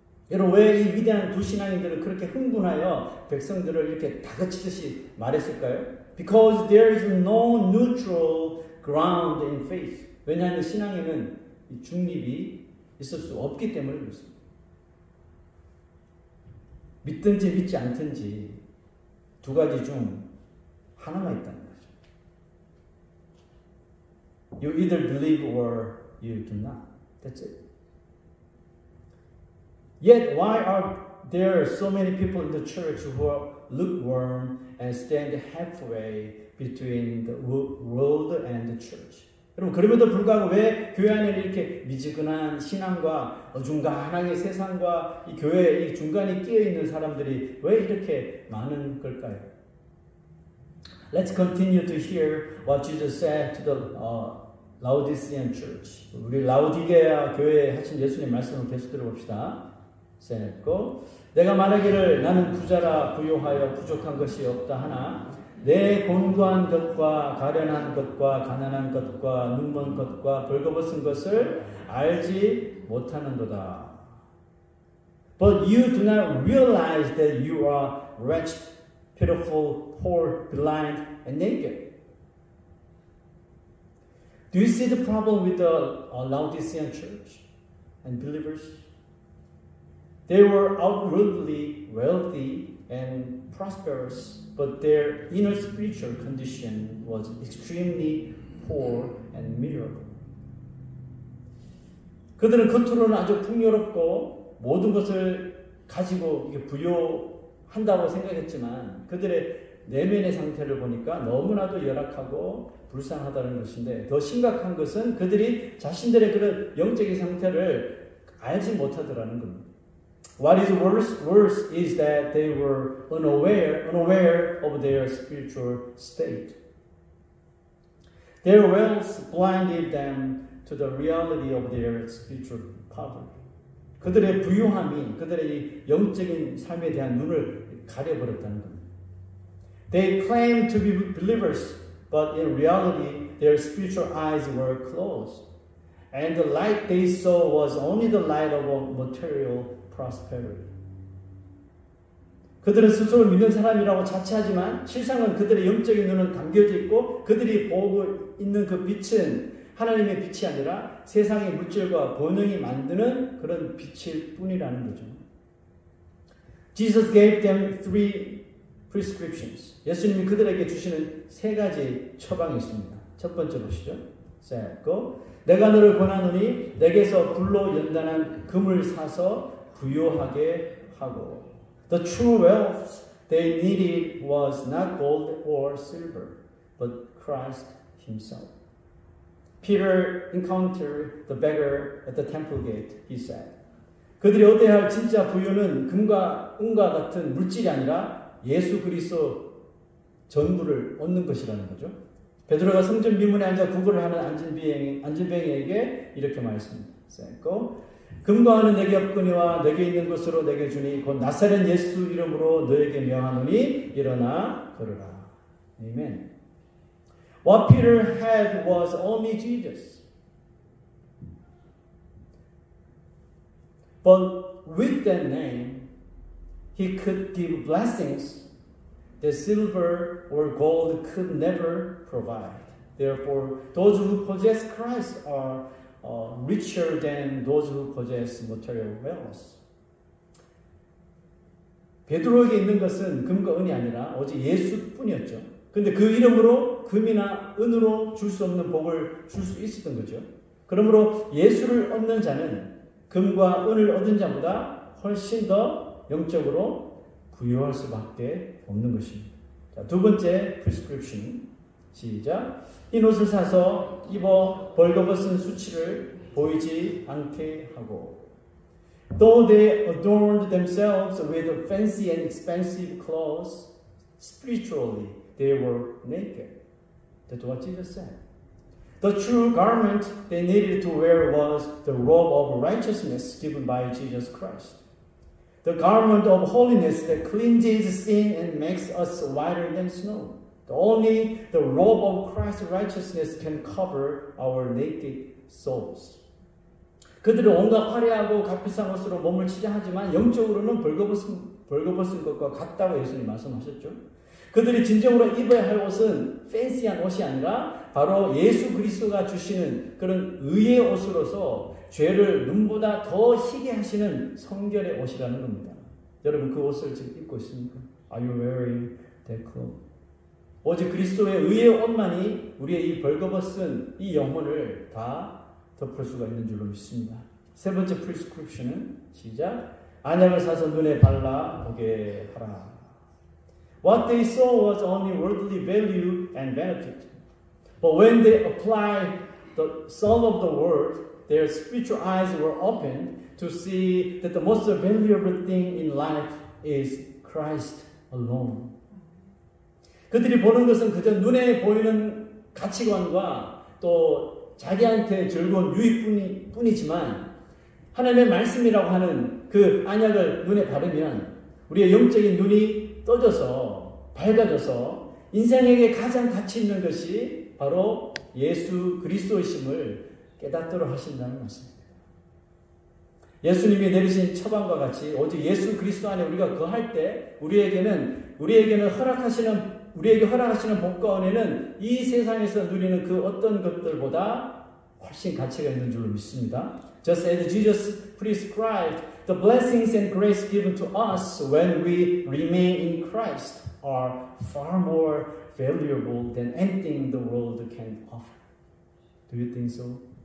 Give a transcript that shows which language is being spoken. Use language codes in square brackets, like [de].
[ko] 여러분 왜 이 위대한 두 신앙인들은 그렇게 흥분하여 백성들을 이렇게 다그치듯이 말했을까요? [en] Because there is no neutral ground in faith. [ko] 왜냐하면 신앙에는 중립이 있을 수 없기 때문에 그렇습니다. 믿든지 믿지 않든지 두 가지 중 하나만 있다. [en] You either believe or you do not. That's it. Yet, why are there so many people in the church who are lukewarm and stand halfway between the world and the church? [ko] 여러분, 그럼에도 불구하고 왜 교회 안에 이렇게 미지근한 신앙과 어중간하게 세상과 이 교회 이 중간에 끼어 있는 사람들이 왜 이렇게 많은 걸까요? [en] Let's continue to hear what Jesus said to the Laodicean Church. [ko] 우리 라오디게아 교회에 하신 예수님 말씀을 계속 들어봅시다. 세네코. 내가 말하기를 나는 부자라 부요하여 부족한 것이 없다 하나 내 곤고한 것과 가련한 것과 가난한 것과 눈먼 것과 벌거벗은 것을 알지 못하는도다. [en] But you do not realize that you are wretched, pitiful, poor, blind, and naked. Do you see the problem with the Laodicean church and believers? They were outwardly wealthy and prosperous, but their inner spiritual condition was extremely poor and miserable. [ko] 그들은 겉으로는 아주 풍요롭고 모든 것을 가지고 부요한다고 생각했지만 그들의 내면의 상태를 보니까 너무나도 열악하고 불쌍하다는 것인데 더 심각한 것은 그들이 자신들의 그런 영적인 상태를 알지 못하더라는 겁니다. [en] What is worse is that they were unaware of their spiritual state. Their wealth blinded them to the reality of their spiritual poverty. [ko] 그들의 부유함이 그들의 이 영적인 삶에 대한 눈을 가려버렸다는 겁니다. [en] They claimed to be believers. But in reality, their spiritual eyes were closed. And the light they saw was only the light of a material prosperity. [ko] 그들은 스스로 믿는 사람이라고 자처하지만 실상은 그들의 영적인 눈은 감겨져 있고 그들이 보고 있는 그 빛은 하나님의 빛이 아니라 세상의 물질과 본능이 만드는 그런 빛일 뿐이라는 거죠. [en] Jesus gave them three prescriptions. [ko] 예수님이 그들에게 주시는 세 가지 처방이 있습니다. 첫 번째 보시죠. 자, 고. 내가 너를 권하노니 내게서 불로 연단한 금을 사서 부요하게 하고. [en] The true wealth they needed was not gold or silver, but Christ himself. Peter encountered the beggar at the temple gate. He said, [ko] 그들이 얻어야 할 진짜 부유는 금과 은과 같은 물질이 아니라 예수 그리스도 전부를 얻는 것이라는 거죠. 베드로가 성전 미문에 앉아 구걸을 하는 앉은뱅이에게 이렇게 말씀했고, 금과 은은 내게 없거니와 내게 있는 것으로 내게 주니 곧 나사렛 예수 이름으로 너에게 명하노니 일어나 걸으라. 아멘. [en] What Peter had was only Jesus. But with that name, he could give blessings that silver or gold could never provide. Therefore, those who possess Christ are richer than those who possess material wealth. [ko] 베드로에게 있는 것은 금과 은이 아니라 오직 예수뿐이었죠. 근데 그 이름으로 금이나 은으로 줄 수 없는 복을 줄 수 있었던 거죠. 그러므로 예수를 얻는 자는 금과 은을 얻은 자보다 훨씬 더 영적으로 부유할 수밖에 없는 것입니다. 자, 두 번째 prescription 시작. 이 옷을 사서 입어 벌거벗은 수치를 보이지 않게 하고. [en] Though they adorned themselves with fancy and expensive clothes, spiritually they were naked. That's what Jesus said. The true garment they needed to wear was the robe of righteousness given by Jesus Christ. The garment of holiness that cleanses sin and makes us whiter than snow. Only the robe of Christ's righteousness can cover our naked souls. [ko] 그들은 온갖 화려하고 값비싼 옷으로 몸을 치장하지만 영적으로는 벌거벗은 것과 같다고 예수님 말씀하셨죠. 그들이 진정으로 입어야 할 옷은 팬시한 옷이 아니라 바로 예수 그리스도가 주시는 그런 의의 옷으로서 죄를 눈보다 더 희게 하시는 성결의 옷이라는 겁니다. 여러분 그 옷을 지금 입고 있습니까? [en] Are you wearing that clothes? [ko] 오직 그리스도의 의의 옷만이 우리의 이 벌거벗은 이 영혼을 다 덮을 수가 있는 줄로 믿습니다. 세 번째 prescription은 시작. 안약을 사서 눈에 발라보게 하라. [en] What they saw was only worldly value and benefit. But when they applied the salve of the word, their spiritual eyes were opened to see that the most valuable thing in life is Christ alone. [ko] 그들이 보는 것은 그저 눈에 보이는 가치관과 또 자기한테 즐거운 유익뿐이지만 하나님의 말씀이라고 하는 그 안약을 눈에 바르면 우리의 영적인 눈이 떠져서 밝아져서 인생에게 가장 가치 있는 것이 바로 예수 그리스도이심을 깨닫도록 하신다는 것입니다. 예수님이 내리신 처방과 같이 오직 예수 그리스도 안에 우리가 거할 때 우리에게 허락하시는 복과 은혜는 이 세상에서 누리는 그 어떤 것들보다 훨씬 가치가 있는 줄 믿습니다. [en] Just as Jesus prescribed, the blessings and grace given to us when we remain in Christ are far more valuable than anything the world can offer. Do you think so?